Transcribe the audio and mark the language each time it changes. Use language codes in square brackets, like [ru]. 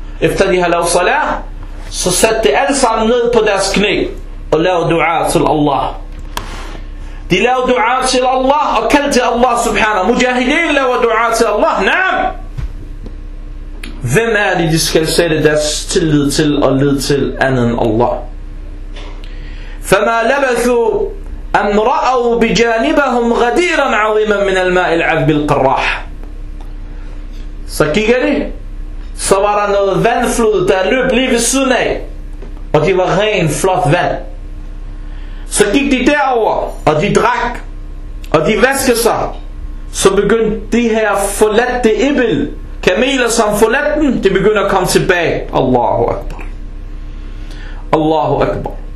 [da] Efter de har lavet salat, så satte de alle sammen ned på deres knæ og lavede dua til Allah. De lavede dua til Allah og kaldte Allah subhanahu. Mujahideen lavede dua til Allah. Naam. Hvem er det, de skal sætte deres tillid til og led til anden Allah? [ar] فما لبثوا أن رأوا بجانبهم غديرا عظيما من الماء العذب القراح. [da] Så kigger de, så var der noget vandflod, der løb lige ved siden af, og det var ren flot vand. Så gik de derover, og de drak, og de vaskede sig, så begyndte de her forladte ibel, kameler som forladte dem, de begyndte at komme tilbage. Allahu Akbar. Allahu Akbar.